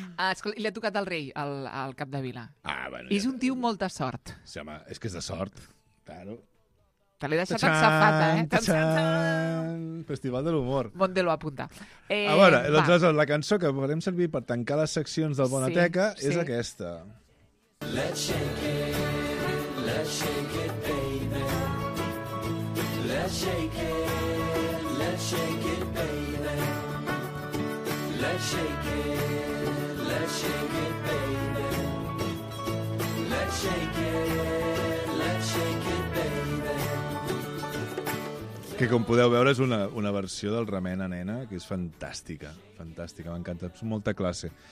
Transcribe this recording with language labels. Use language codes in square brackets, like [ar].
[ca] Escolta, i li ha tocat el rei, al cap de vila. Ah, bueno. I és un tio molta sort. Sí, home, és que és de sort. Claro. Te l'he deixat en safata, eh? Tachan! Festival de l'humor. Mondelo apunta. A veure, doncs, la cançó que farem servir per tancar les seccions del Bonateca és aquesta. [en] Let's shake it, let's shake it. Let's shake it, let's shake it, baby. [ca] Que com podeu veure és una versió del Remena Nena, que és fantàstica, fantàstica, m'encanta, és molta classe.